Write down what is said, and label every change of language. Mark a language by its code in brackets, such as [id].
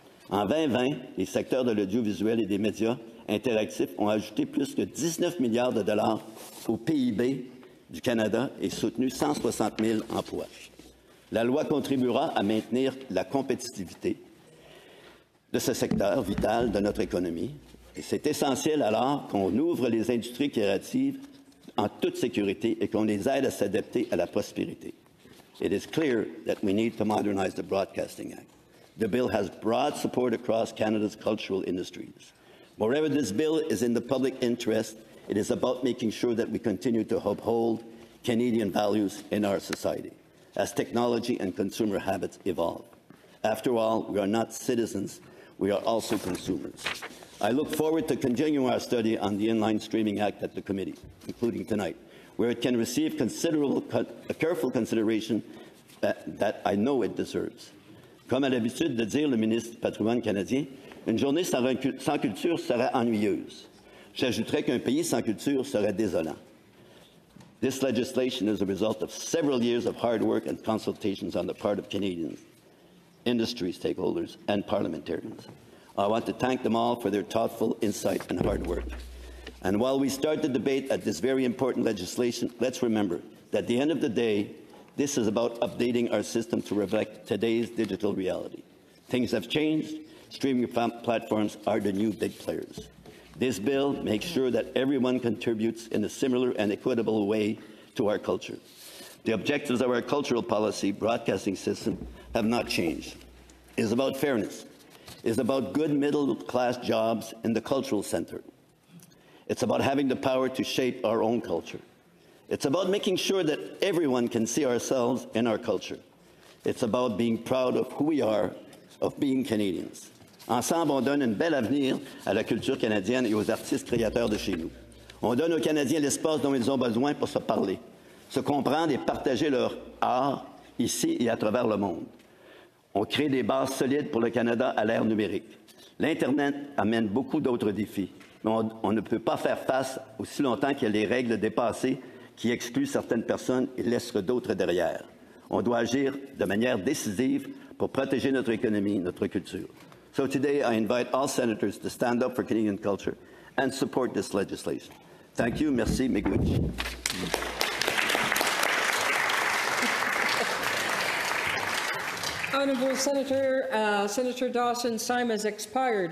[fr] En 2020, les secteurs de l'audiovisuel et des médias interactifs ont ajouté plus de 19 milliards de dollars au PIB du Canada et soutenu 160 000 emplois. La loi contribuera à maintenir la compétitivité de ce secteur vital de notre économie. Et c'est essentiel alors qu'on ouvre les industries créatives en toute sécurité et qu'on les aide à s'adapter à la prospérité. [en] It is clear that we need to modernize the Broadcasting Act. The bill has broad support across Canada's cultural industries. Moreover, this bill is in the public interest. It is about making sure that we continue to uphold Canadian values in our society as technology and consumer habits evolve. After all, we are not citizens, we are also consumers. I look forward to continuing our study on the Inline Streaming Act at the committee, including tonight, where it can receive considerable, careful consideration that I know it deserves. [fr] Comme à l'habitude de dire le ministre du patrimoine canadien, une journée sans culture serait ennuyeuse. J'ajouterais qu'un pays sans culture serait désolant. [en] This legislation is a result of several years of hard work and consultations on the part of Canadian industry stakeholders and parliamentarians. I want to thank them all for their thoughtful insight and hard work. And while we start the debate at this very important legislation, let's remember that at the end of the day, this is about updating our system to reflect today's digital reality. Things have changed. Streaming platforms are the new big players. This bill makes sure that everyone contributes in a similar and equitable way to our culture. The objectives of our cultural policy broadcasting system have not changed. It's about fairness. It's about good middle-class jobs in the cultural center. It's about having the power to shape our own culture. It's about making sure that everyone can see ourselves in our culture. It's about being proud of who we are, of being Canadians. [fr] Ensemble, on donne un bel avenir à la culture canadienne et aux artistes créateurs de chez nous. On donne aux Canadiens l'espace dont ils ont besoin pour se parler, se comprendre et partager leur art ici et à travers le monde. On crée des bases solides pour le Canada à l'ère numérique. L'Internet amène beaucoup d'autres défis. mais on ne peut pas faire face aussi longtemps qu'il y a les règles dépassées qui excluent certaines personnes et laissent d'autres derrière. On doit agir de manière décisive pour protéger notre économie, notre culture. [en] So today, I invite all senators to stand up for Canadian culture and support this legislation. Thank you. [fr] Merci. [oj] Miigwech. [en] Honourable Senator, Senator Dawson's time has expired.